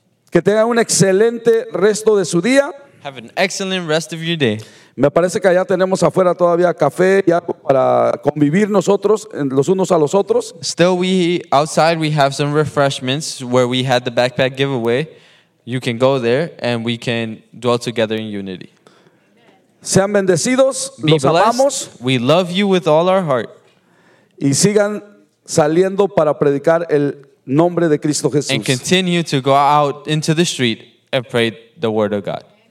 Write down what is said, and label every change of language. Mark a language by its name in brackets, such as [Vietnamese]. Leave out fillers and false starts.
[Spanish] Que tengan un excelente resto de su día. [English] Have an excellent rest of your day. [Spanish] Me parece que allá tenemos afuera todavía café y algo para convivir nosotros los unos a los otros. [English] Still, we outside we have some refreshments where we had the backpack giveaway. You can go there and we can dwell together in unity. [Spanish] Sean bendecidos, [English] Be [Spanish] los amamos. [English] We love you with all our heart. [Spanish] Y sigan saliendo para predicar el nombre de Cristo Jesús. [English] And continue to go out into the street and pray the word of God.